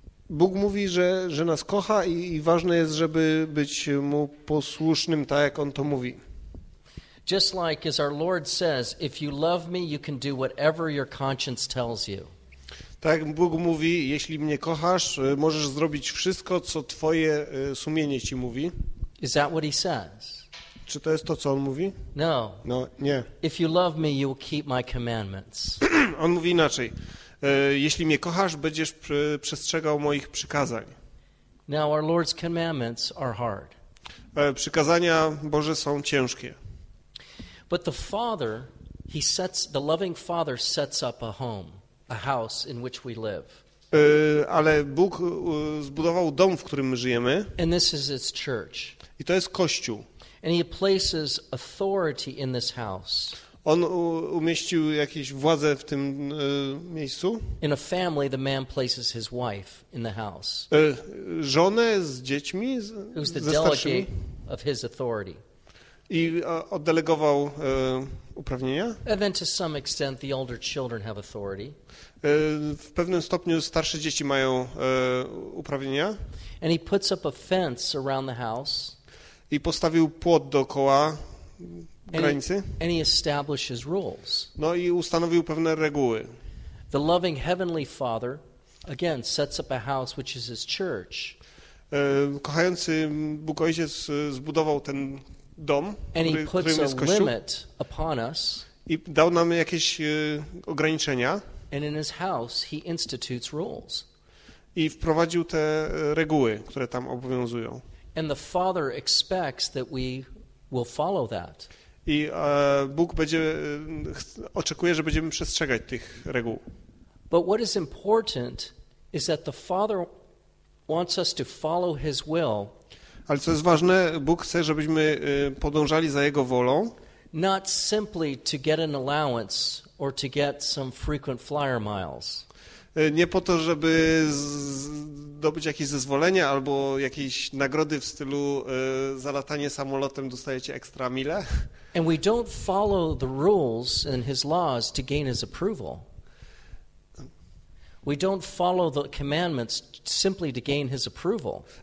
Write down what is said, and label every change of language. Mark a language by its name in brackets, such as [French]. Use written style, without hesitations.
[Polish] Bóg mówi, że nas kocha i ważne jest, żeby być Mu posłusznym, tak jak On to mówi. [English] Just like as our Lord says, if you love me, you can do whatever your conscience tells you. [Polish] Tak Bóg mówi, jeśli mnie kochasz, możesz zrobić wszystko, co twoje sumienie ci mówi. [English] Is that what he says? [Polish] Czy to jest to, co on mówi? [English] No. [Polish] No, nie. [English] If you love me, you will keep my commandments. [Polish] On mówi inaczej. Jeśli mnie kochasz, będziesz przestrzegał moich przykazań. [English] Now our Lord's commandments are hard. [Polish] Przykazania Boże są ciężkie. [English] But the Father, he sets, the loving Father sets up a home. A house in which we live. [Polish] Ale Bóg zbudował dom, w którym żyjemy. [English] And this is its church. [Polish] I to jest kościół. [English] And he places authority in this house. [Polish] On umieścił jakieś władzę w tym miejscu. [English] In a family, the man places his wife in the house. [Polish] Żonę z dziećmi, [English] who's the [Polish] ze starszymi. [English] Delegate of his authority. [Polish] I oddelegował uprawnienia. [English] And then to some extent the older children have authority. [Polish] W pewnym stopniu starsze dzieci mają uprawnienia. [English] And he puts up a fence around the house. [Polish] I postawił płot dookoła granicy. [English] And he establishes rules. [Polish] No i ustanowił pewne reguły. [English] The loving heavenly Father again sets up a house which is his church. [Polish] Kochający Bóg Ojciec zbudował ten dom, którym jest Kościół, [English] limit upon us, [Polish] i dał nam jakieś ograniczenia. [English] And in his house he institutes rules. [Polish] I wprowadził te reguły, które tam obowiązują. [English] And the Father expects that we will follow that. [Polish] I Bóg będzie oczekuje, że będziemy przestrzegać tych reguł. [English] But what is important is that the Father wants us to follow his will. [Polish] Ale co jest ważne, Bóg chce, żebyśmy podążali za jego wolą. [English] Not simply to get an allowance or to get some frequent flyer miles. [Polish] Nie po to, żeby zdobyć jakieś zezwolenie albo jakieś nagrody w stylu zalatanie samolotem, dostajecie ekstra mile. [English] And we don't follow the rules and his laws to gain his approval. We don't follow the commandments simply to gain his approval.